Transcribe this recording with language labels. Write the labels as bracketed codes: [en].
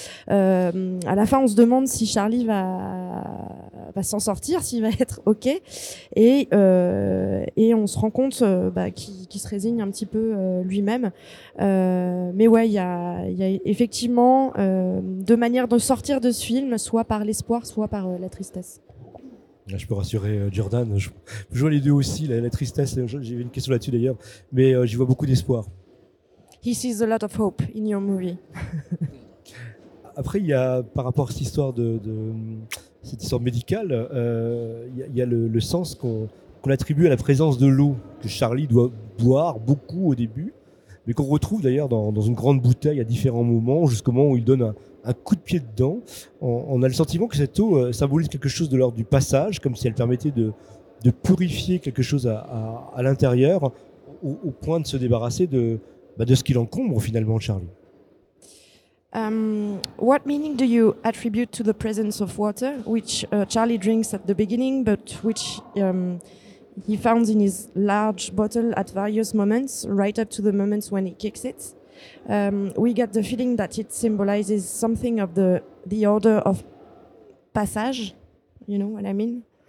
[fr] À la fin, on se demande si Charlie va s'en sortir, s'il va être OK, et on se rend compte qu'il se résigne un petit peu lui-même. Mais ouais, il y a effectivement deux manières de sortir de ce film, soit par l'espoir, soit par la tristesse. Là, je peux rassurer Jordan, je vois les deux aussi, la tristesse, j'avais une question là-dessus d'ailleurs, mais j'y vois beaucoup d'espoir. [en] He sees a lot of hope in your movie. [fr] Après, il y a, par rapport à cette histoire cette histoire médicale, il y a le sens qu'on attribue à la présence de l'eau, que Charlie doit boire beaucoup au début, mais qu'on retrouve d'ailleurs dans une grande bouteille à différents moments, jusqu'au moment où il donne un coup de pied dedans. On a le sentiment que cette eau symbolise quelque chose de l'ordre du passage, comme si elle permettait de purifier quelque chose à l'intérieur, au point de se débarrasser de ce qui l'encombre finalement, Charlie. [en] What meaning do you attribute to the presence of water, which Charlie drinks at the beginning, but which he found in his large bottle at various moments, right up to the moments when he kicks it? We get the feeling that it symbolizes something of the order of passage, you know what I mean?